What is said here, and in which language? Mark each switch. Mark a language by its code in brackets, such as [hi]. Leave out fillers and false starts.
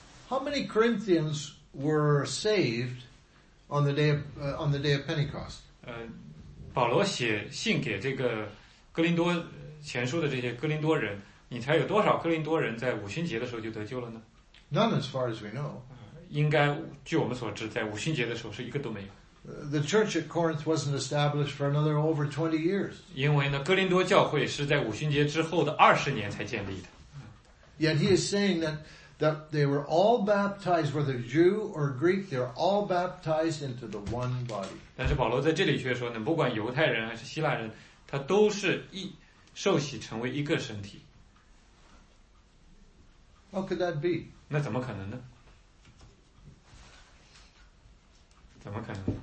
[en] How many Corinthians were saved on the day of Pentecost? [zh] 保罗写信给这个哥林多前书的这些哥林多人你猜有多少哥林多人在五旬节的时候就得救了呢 [en] None as far as we know. [zh] 应该据我们所知在五旬节的时候是一个都没有。 [en] The church at Corinth wasn't established for another over 20 years. [zh] 因为呢哥林多教会是在五旬节之后的二十年才建立的。 [en] Yet he is saying that they were all baptized, whether Jew or Greek, they're all baptized into the one body. [zh] 但是保罗在这里却说呢不管犹太人还是希腊人他都是受洗成为一个身体。 [en] How could that be? [zh] 那怎么可能呢怎么可能？